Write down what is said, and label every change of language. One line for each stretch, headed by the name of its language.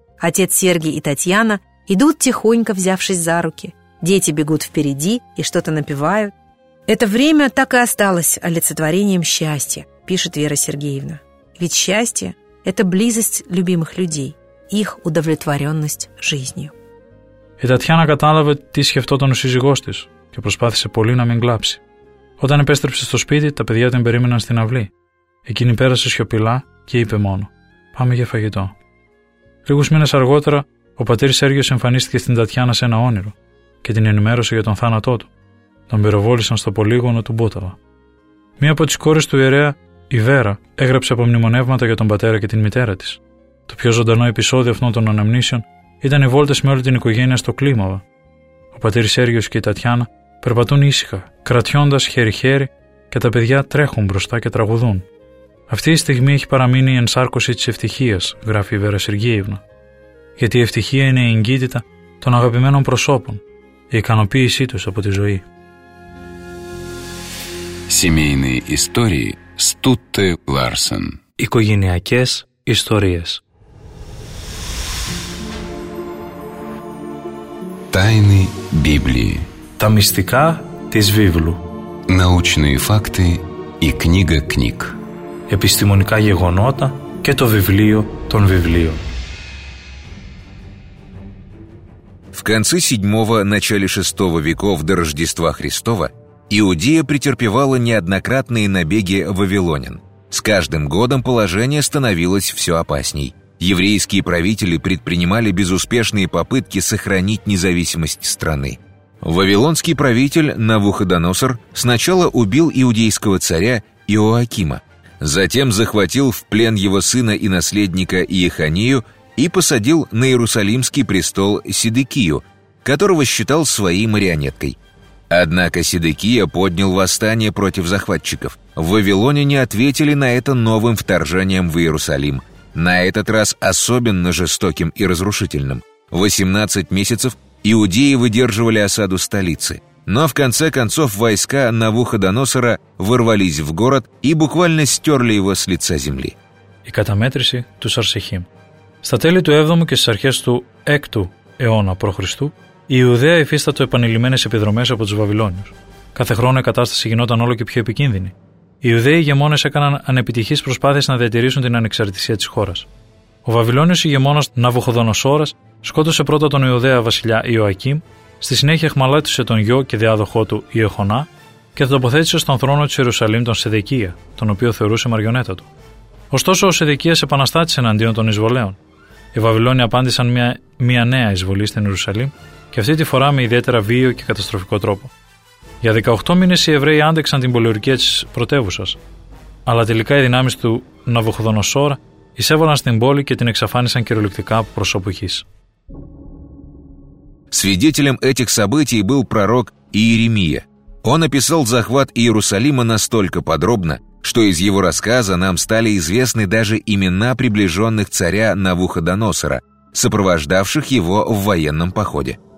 Russian: Отец Сергий и Татьяна идут тихонько, взявшись за руки. Дети бегут впереди и что-то напевают. «Это время так и осталось олицетворением счастья», – пишет Вера Сергеевна. «Ведь счастье – это близость любимых людей, их удовлетворенность жизнью».
Greek: И Татьяна каталавы ти схефтотон ο сизигос тис και προσπάθησε πολύ να μην κλάψει. Όταν επέστρεψε στο σπίτι, τα παιδιά την περίμεναν στην αυλή. Εκείνη πέρασε σιωπηλά και είπε μόνο: «Πάμε για φαγητό». Λίγους μήνες αργότερα, ο πατήρ Σέργιος εμφανίστηκε στην Τατιάνα σε ένα όνειρο και την ενημέρωσε για τον θάνατό του. Τον πυροβόλησαν στο πολύγωνο του Μπούταβα. Μία από τις κόρες του ιερέα, η Βέρα, έγραψε απομνημονεύματα για τον πατέρα και την μητέρα της. Το πιο ζωντανό επεισόδιο αυτών των αναμνήσεων ήταν οι βόλτες με όλη την οικογένεια στο Κλίμαβα. Ο πατήρ Σέργιος και η Τατιάνα περπατούν ήσυχα, κρατιώντας χέρι-χέρι και τα παιδιά τρέχουν μπροστά και τραγουδούν. «Αυτή η στιγμή έχει παραμείνει η ενσάρκωση της ευτυχίας», γράφει η Βέρα Σεργίευνα. «Γιατί η ευτυχία είναι η εγκύτητα των αγαπημένων προσώπων, η ικανοποίησή τους από τη ζωή».
Russian: Семейные истории Стутте Ларсен.
Greek: Οικογενειακές ιστορίες.
Russian: Тайны Библии.
Greek: Τα μυστικά της Βίβλου.
Russian: Научные факты и книга книг.
Greek: Επιστημονικά γεγονότα και το βιβλίο των βιβλίων.
Russian: В конце VII – начале VI веков до Рождества Христова Иудея претерпевала неоднократные набеги вавилонян. С каждым годом положение становилось все опасней. Еврейские правители предпринимали безуспешные попытки сохранить независимость страны. Вавилонский правитель Навуходоносор сначала убил иудейского царя Иоакима, затем захватил в плен его сына и наследника Иеханию и посадил на Иерусалимский престол Сидекию, которого считал своей марионеткой. Однако Сидекия поднял восстание против захватчиков. Вавилоняне ответили на это новым вторжением в Иерусалим, на этот раз особенно жестоким и разрушительным. 18 месяцев иудеи выдерживали осаду столицы, но в конце концов войска Навуходоносора ворвались в город и буквально стерли его с лица земли.
Greek: И катаметриси тус арсехим. Στα τέλη του 7ου και στις αρχές του 6ου αιώνα π.Χ. η Ιουδαία υφίστατο επανειλημμένες επιδρομές από τους Βαβυλώνιους. Κάθε χρόνο η κατάσταση γινόταν όλο και πιο επικίνδυνη. Οι Ιουδαίοι ηγεμόνες έκαναν ανεπιτυχείς προσπάθειες να διατηρήσουν την ανεξαρτησία της χώρας. Ο Βαβυλώνιος ηγεμόνας Ναβουχοδονοσόρας σκότωσε πρώτα τον Ιουδαία βασιλιά Ιωακείμ, στη συνέχεια εχμαλάτισε τον γιο και διάδοχό του Ιεχονά και τοποθέτησε στον θρόνο της Ιερουσαλήμ τον Σεδεκία, τον οποίο θεωρούσε μαριονέτα του. Ωστόσο, ο Σεδεκίας επαναστάτησε εναντίον των εισβολέων. Οι Βαβυλώνοι απάντησαν μια νέα εισβολή στην Ιερουσαλήμ και αυτή τη φορά με ιδιαίτερα βίαιο και καταστροφικό τρόπο. Για 18 μήνες οι Εβραίοι άντεξαν την πολιορκία της πρωτεύουσας, αλλά τελικά οι δυνάμεις του Ναβουχοδονοσόρα εισέβαλαν στην πόλη και την εξαφάνισαν κυριολεκτικά από προσωποχής.
Russian: Свидетелем этих событий был пророк Иеремия. Он описал захват Иерусалима настолько подробно, что из его рассказа нам стали известны даже имена приближенных царя Навуходоносора, сопровождавших его в военном походе.